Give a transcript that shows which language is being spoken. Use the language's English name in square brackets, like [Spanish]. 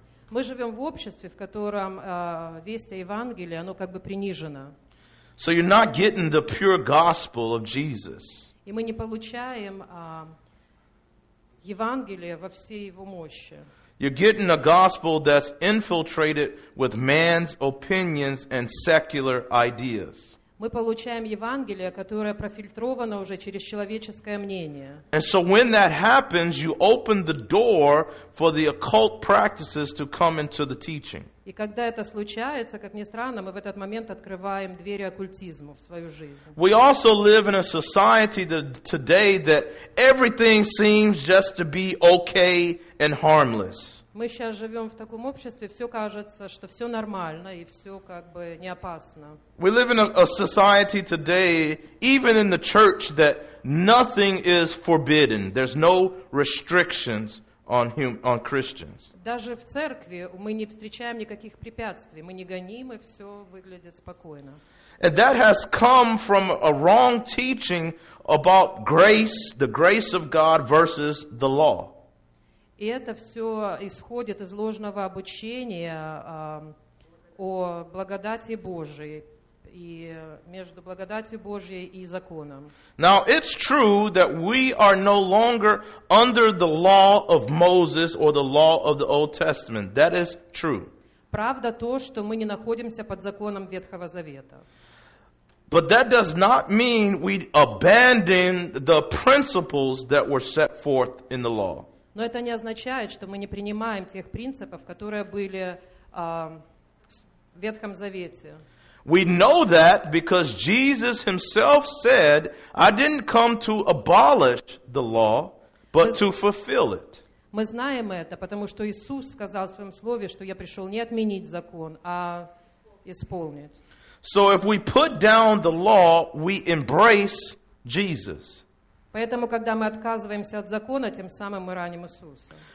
[Russian] Мы живем в обществе, в котором весть о Евангелии, оно как бы принижено. [English] So you're not getting the pure gospel of Jesus. [Russian] И мы не получаем Евангелие во всей его мощи. [English] You're getting a gospel that's infiltrated with man's opinions and secular ideas. [Russian] Мы получаем Евангелие, которое профильтровано уже через человеческое мнение. [English] And so when that happens, you open the door for the occult practices to come into the teaching. [Russian] И когда это случается, как ни странно, мы в этот момент открываем двери оккультизму в свою жизнь. [English] We also live in a society that today that everything seems just to be okay and harmless. [Russian] Мы сейчас живем в таком обществе, все кажется, что все нормально и все как бы не опасно. [English] We live in a society today, even in the church, that nothing is forbidden. There's no restrictions on Christians. [Russian] Даже в церкви мы не встречаем никаких препятствий, мы не гонимы, все выглядит спокойно. [English] And that has come from a wrong teaching about grace, the grace of God versus the law. [Russian] И это все исходит из ложного обучения о благодати Божией и между благодатью Божией и законом. [English] Now it's true that we are no longer under the law of Moses or the law of the Old Testament. That is true. [Russian] Правда то, что мы не находимся под законом Ветхого Завета. [English] But that does not mean we abandon the principles that were set forth in the law. [Russian] Но это не означает, что мы не принимаем тех принципов, которые были в Ветхом Завете. [English] We know that because Jesus himself said, I didn't come to abolish the law, but to fulfill it. [Russian] Мы знаем это, потому что Иисус сказал в своем слове, что я пришел не отменить закон, а исполнить. [English] So if we put down the law, we embrace Jesus. [Russian] Поэтому, когда мы отказываемся от закона, тем самым мы раним Иисуса.